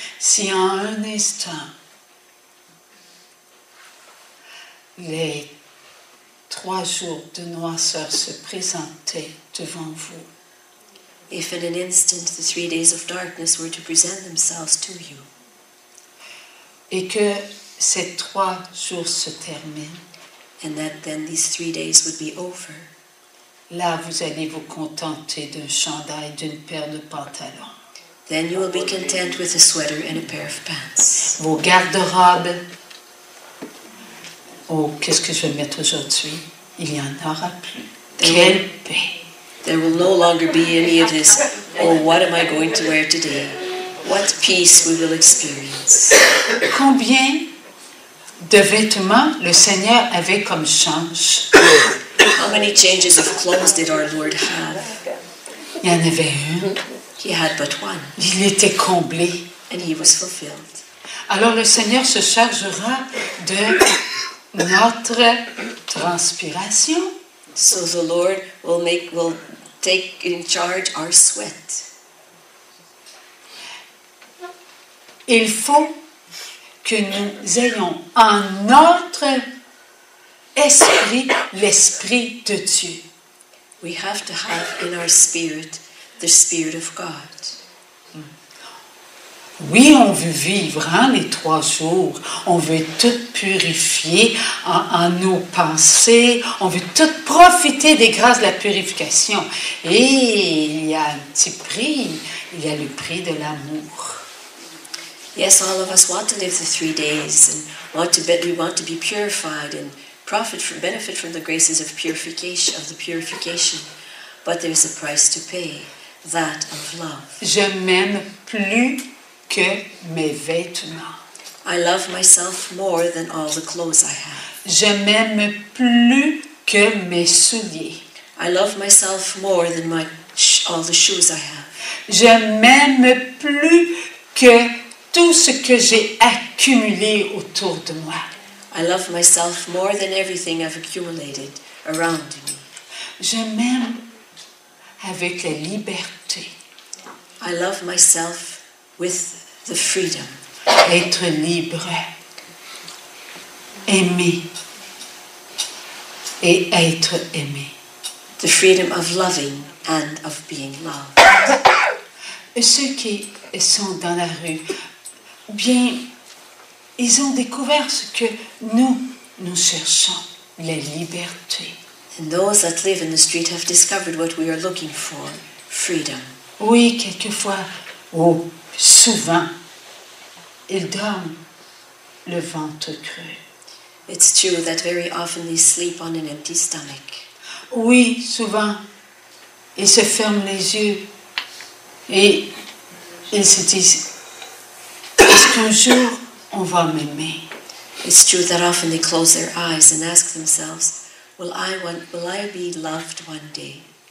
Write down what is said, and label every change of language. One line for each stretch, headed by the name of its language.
French: Si en un instant les trois jours de noirceur se présentaient devant vous,
English: if in an instant the 3 days of darkness were to present themselves to you,
French: et que ces trois jours se terminent,
English: and that then these 3 days would be over,
French: là vous allez vous contenter d'un chandail, d'une paire de pantalons.
English: Then you will be content with a sweater and a pair of pants.
French: Vos garde-robes. Oh, qu'est-ce que je vais mettre aujourd'hui? Il n'y en aura plus. Quelle paix!
English: There will no longer be any of this. Oh, what am I going to wear today? What peace we will experience.
French: Combien de vêtements le Seigneur avait comme change?
English: How many changes of clothes did our Lord have?
French: Il y en avait un.
English: He had but one.
French: Il était comblé.
English: And he was fulfilled.
French: Alors le Seigneur se chargera de notre transpiration.
English: So the Lord will take in charge our sweat.
French: Il faut que nous ayons en notre esprit l'Esprit de Dieu.
English: We have to have in our spirit the Spirit of God.
French: Oui, on veut vivre hein, les trois jours. On veut tout purifier en nos pensées. On veut tout profiter des grâces de la purification. Et il y a un petit prix. Il y a le prix de l'amour.
English: Yes, all of us want to live the 3 days and want to be purified and benefit from the graces of the purification. But there is a price to pay, that of love.
French: Je m'aime plus que mes vêtements.
English: I love myself more than all the clothes I have.
French: Je m'aime plus que mes souliers.
English: I love myself more than all the shoes I have.
French: Je m'aime plus que tout ce que j'ai accumulé autour de moi.
English: I love myself more than everything I've accumulated around me.
French: Je m'aime avec la liberté.
English: I love myself with the freedom.
French: Être libre. Aimer. Et être aimé.
English: The freedom of loving and of being loved.
French: Et ceux qui sont dans la rue, bien, ils ont découvert ce que nous cherchons, la liberté.
English: And those that live in the street have discovered what we are looking for, freedom.
French: Oui, quelquefois, ou souvent, ils dorment le ventre creux.
English: It's true that very often they sleep on an empty stomach.
French: Oui, souvent, ils se ferment les yeux et ils se disent, est-ce qu'un jour on va m'aimer?
English: It's true that often they close their eyes and ask themselves, Will I be loved one day?